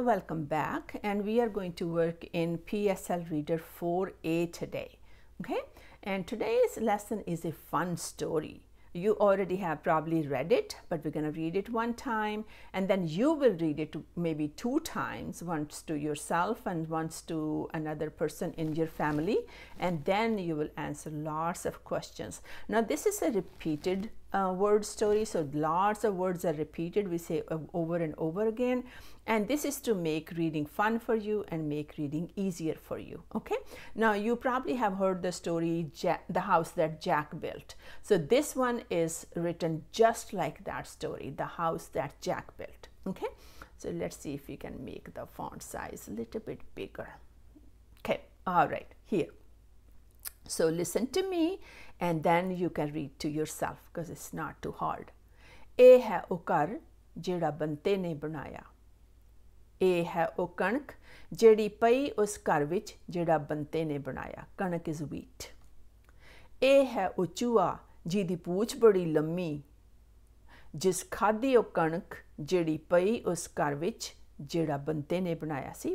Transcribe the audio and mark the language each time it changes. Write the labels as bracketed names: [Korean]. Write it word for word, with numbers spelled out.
[English] Welcome back, and we are going to work in P S L reader four A today. Okay, and today's lesson is a fun story. You already have probably read it, but we're going to read it one time, and then you will read it maybe two times, once to yourself and once to another person in your family, and then you will answer lots of questions. Now, this is a repeated uh, word story, so lots of words are repeated. We say uh, over and over again, and this is to make reading fun for you and make reading easier for you. Okay, now you probably have heard the story Jack, the house that Jack built. So this one is written just like that story, the house that Jack built. Okay, so let's see if we can make the font size a little bit bigger. Okay, all right, here. So listen to me, and then you can read to yourself because it's not too hard. [Punjabi] ਇਹ ਹੈ ਉਹ ਘਰ ਜਿਹੜਾ ਬੰਤੇ ਨੇ ਬਣਾਇਆ। ਇਹ ਹੈ ਉਹ ਕਣਕ ਜਿਹੜੀ ਪਈ ਉਸ ਘਰ ਵਿੱਚ ਜਿਹੜਾ ਬੰਤੇ ਨੇ ਬਣਾਇਆ। ਕਣਕ [English] Is wheat. [Punjabi] ਇਹ ਹੈ ਉਹ ਚੂਹਾ ਜਿਹਦੀ ਪੂਛ ਬੜੀ ਲੰਮੀ, ਜਿਸ ਖਾਧੀ ਉਹ ਕਣਕ ਜਿਹੜੀ ਪਈ ਉਸ ਘਰ ਵਿੱਚ ਜਿਹੜਾ ਬੰਤੇ ਨੇ ਬਣਾਇਆ ਸੀ।